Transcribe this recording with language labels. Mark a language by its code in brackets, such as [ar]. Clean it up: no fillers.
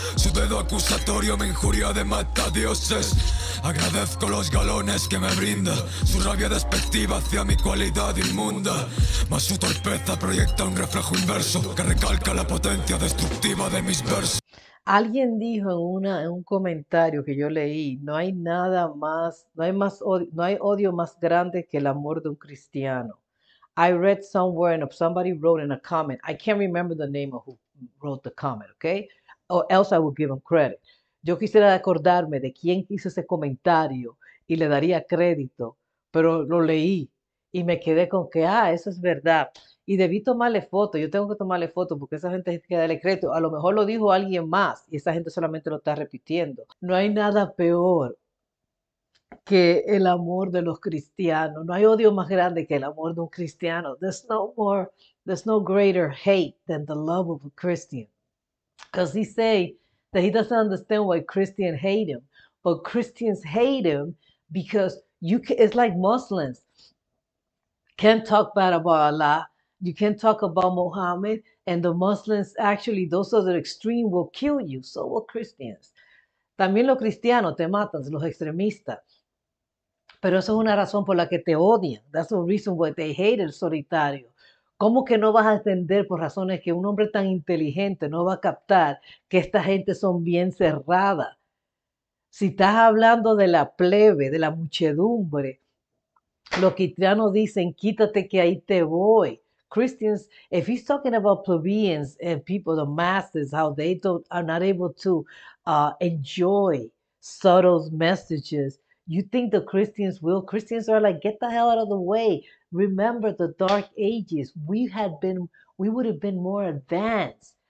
[es] Su dedo acusatorio me injuria de matadioses. Agradezco los galones que me brinda, su rabia despectiva hacia mi cualidad inmunda. Mas su torpeza proyecta un reflejo inverso que recalca la potencia destructiva de mis versos. Alguien dijo en un comentario que yo leí, no hay nada más, no hay más odio, no hay odio más grande que el amor de un cristiano. [en] I read somewhere and somebody wrote in a comment. I can't remember the name of who wrote the comment, okay? Or else I would give him credit. [es] Yo quisiera acordarme de quién hizo ese comentario y le daría crédito, pero lo leí y me quedé con que, ah, eso es verdad. Y debí tomarle foto, yo tengo que tomarle foto porque esa gente tiene que darle crédito. A lo mejor lo dijo alguien más y esa gente solamente lo está repitiendo. No hay nada peor que el amor de los cristianos. No hay odio más grande que el amor de un cristiano. [en] There's no greater hate than the love of a Christian. Because he say that he doesn't understand why Christians hate him. But Christians hate him because you can, it's like Muslims. Can't talk bad about Allah. You can't talk about Muhammad and the Muslims, actually, those other extreme will kill you. So will Christians. [es] También los cristianos te matan, los extremistas. Pero eso es una razón por la que te odian. [en] That's the reason why they hate el solitario. [es] ¿Cómo que no vas a entender por razones que un hombre tan inteligente no va a captar que esta gente son bien cerrada? Si estás hablando de la plebe, de la muchedumbre, los cristianos dicen, quítate que ahí te voy. [en] Christians, if he's talking about plebeians and people, the masses, how they don't are not able to enjoy subtle messages, you think the Christians will? Christians are like, get the hell out of the way. Remember the dark ages. We would have been more advanced